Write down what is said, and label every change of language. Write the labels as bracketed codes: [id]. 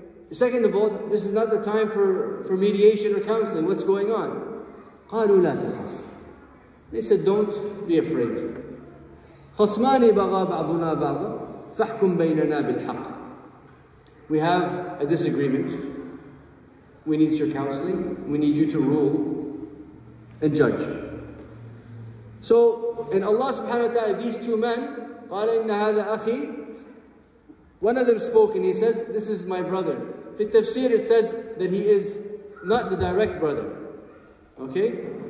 [en] Second of all, this is not the time for mediation or counseling. What's going on? [ar] قَالُوا لَا تَخَفْ. [en] They said, don't be afraid. [ar] خصمان بغى بعضنا بعضا فاحكم بيننا بالحق. [en] We have a disagreement. We need your counseling. We need you to rule and judge. So, in Allah subhanahu wa ta'ala, these two men, [ar] قال إن هذا أخي. [en] One of them spoke and he says, this is my brother. [ar] في التفسير [en] it says that he is not the direct brother. Okay?